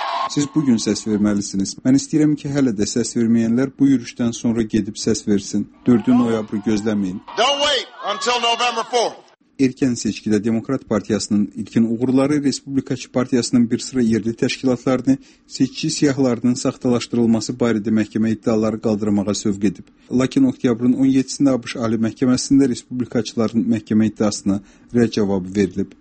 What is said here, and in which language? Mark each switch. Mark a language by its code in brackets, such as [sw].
[az] Siz bugün səs verməlisiniz. Mən istəyirəm ki, hələ də səs verməyənlər bu yürüşdən sonra gedib səs versin. 4 noyabrı gözləməyin. [en] Don't wait until November 4th. [az] Erkən seçkidə Demokrat Partiyasının ilkin uğurları Respublikaçı Partiyasının bir sıra yerli təşkilatlarını seçki siyahlarının saxtalaşdırılması barədə məhkəmə iddiaları qaldırmağa sövq edib. Lakin oktyabrın 17-sində ABŞ Ali Məhkəməsində Respublikaçıların məhkəmə iddiasına rədd cavabı verilib.